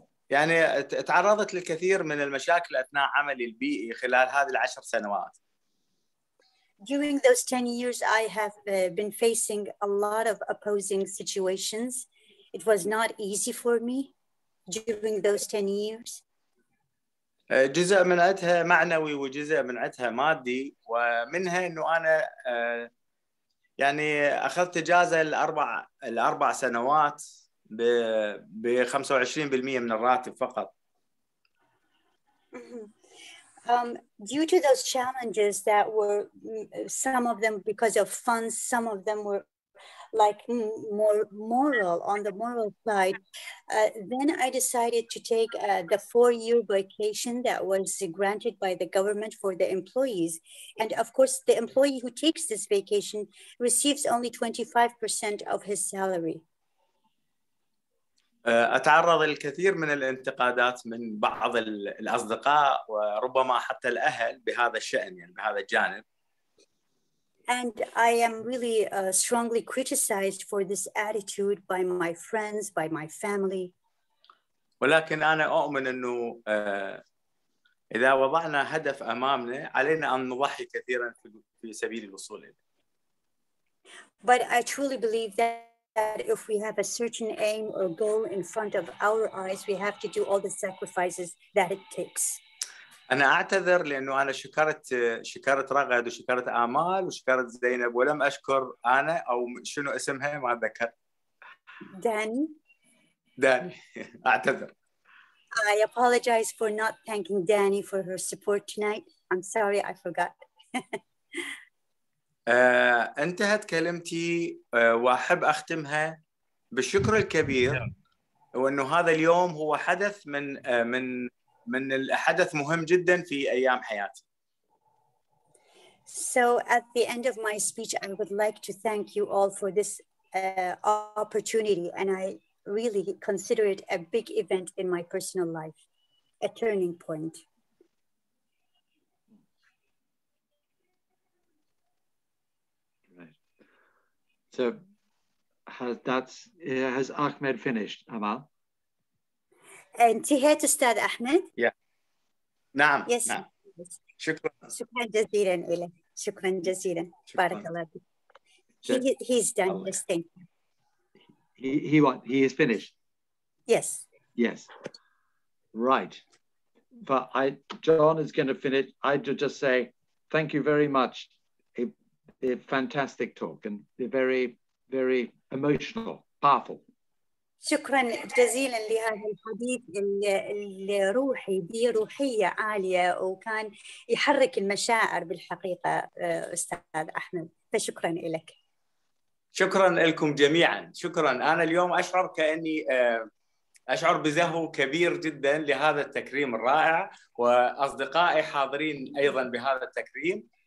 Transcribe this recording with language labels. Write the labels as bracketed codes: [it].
[ar] يعني تعرضت للكثير من المشاكل أثناء عملي البيئي خلال هذه العشر سنوات. [en] During those 10 years, I have been facing a lot of opposing situations. It was not easy for me during those 10 years. [ar] جزء من عدها معنوي وجزء من عدها مادي، ومنها أنه أنا يعني أخذت إجازة الأربع سنوات ب 25% من الراتب فقط. [en] Due to those challenges that were some of them because of funds, some of them were like more moral, on the moral side, then I decided to take the 4-year vacation that was granted by the government for the employees. And of course, the employee who takes this vacation receives only 25% of his salary. [ar] أتعرض للكثير من الانتقادات من بعض الأصدقاء وربما حتى الأهل بهذا الشأن، يعني بهذا الجانب. [en] And I am really strongly criticized for this attitude by my friends, by my family. [ar] ولكن أنا أؤمن أنه إذا وضعنا هدف أمامنا علينا أن نضحي كثيرا في سبيل الوصول إليه. [en] But I truly believe that that if we have a certain aim or goal in front of our eyes, we have to do all the sacrifices that it takes. [ar] أنا أعتذر لأنه أنا شكرت رغد وشكرت آمال وشكرت زينب ولم أشكر أنا أو شنو اسمها ما أتذكر. داني. Danny, أعتذر. [en] I apologize for not thanking Danny for her support tonight. I'm sorry, I forgot. [ar] انتهت كلمتي واحب اختمها بالشكر الكبير وانه هذا اليوم هو حدث من من من الحدث مهم جدا في ايام حياتي. [en] So at the end of my speech I would like to thank you all for this opportunity and I really consider it a big event in my personal life, a turning point. So has has Ahmed finished, Amal? [ar] انتهيت استاذ احمد؟ [en] Yeah. [ar] نعم. [en] Yes. [ar] نعم. شكرا. شكرا جزيلا إليك. شكرا جزيلا. بارك الله فيك. [en] He's done this thing. He is finished. Yes. Yes. Right. But John is going to finish. I just say thank you very much. A fantastic talk and very, very emotional, powerful. [ar] شكرا جزيلا لهذا الحديث اللي روحي بروحية عالية وكان يحرك المشاعر بالحقيقة أستاذ أحمد فشكرا لك. شكرا لكم جميعا. شكرا. أنا اليوم أشعر كأني أشعر بزهو كبير جدا لهذا التكريم الرائع وأصدقائي حاضرين أيضا بهذا التكريم.